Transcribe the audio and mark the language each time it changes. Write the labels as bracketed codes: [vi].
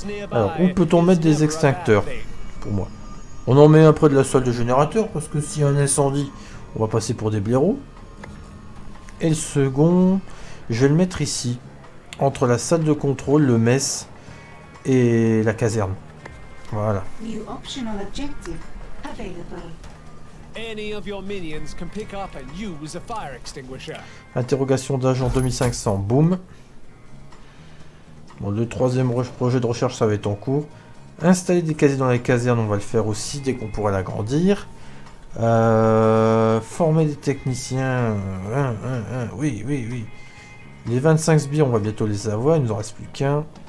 [fr] Alors, où peut-on mettre des extincteurs? Pour moi, on en met un près de la salle de générateur parce que s'il y a un incendie, on va passer pour des blaireaux. Et le second, je vais le mettre ici, entre la salle de contrôle, le mess et la caserne. Voilà. [en] New optional objective available. Any of your minions can pick up and use a fire extinguisher. [fr] Interrogation d'agent 2500, boum. Bon, le troisième projet de recherche, ça va être en cours. Installer des casiers dans les casernes, on va le faire aussi dès qu'on pourra l'agrandir. Former des techniciens. Oui. Les 25 sbires, on va bientôt les avoir. Il nous en reste plus qu'un.